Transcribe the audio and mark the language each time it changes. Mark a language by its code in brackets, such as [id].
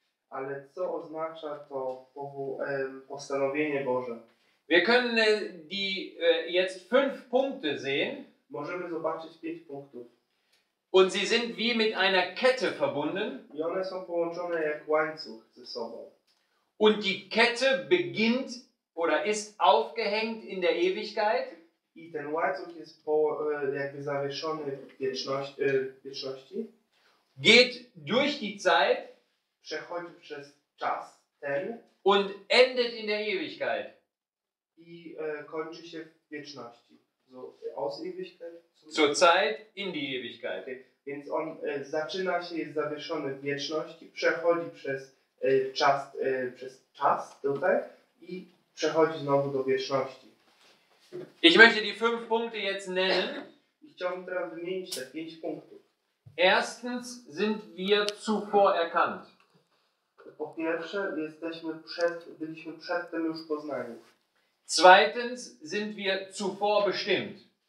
[pl] Ale co oznacza to postanowienie Boże? [de] Wir können die jetzt fünf Punkte sehen. [pl] Możemy zobaczyć pięć punktów. [de] Und sie sind wie mit einer Kette verbunden. [pl] I one są połączone jak łańcuch ze sobą. [de] Und die Kette beginnt oder ist aufgehängt in der Ewigkeit. [pl] I ten łańcuch jest po, jakby zawieszony w wieczności. [de] Geht durch die Zeit. [pl] Przechodzi przez czas ten. [de] Und endet in der Ewigkeit. [pl] I kończy się w wieczności. [de] So, aus Ewigkeit. Zur Zeit in die Ewigkeit. Okay. [pl] Więc on zaczyna się, jest zawieszony w wieczność i przechodzi przez czas, przez czas tutaj i przechodzi znowu do wieczności. [de] Ich möchte die fünf Punkte jetzt nennen. [pl] Ich chciałbym teraz wymienić te pięć punktów. [de] Erstens sind wir zuvor erkannt. [pl] Po pierwsze, byliśmy przedtem już poznani. [de] Zweitens sind wir zuvor bestimmt.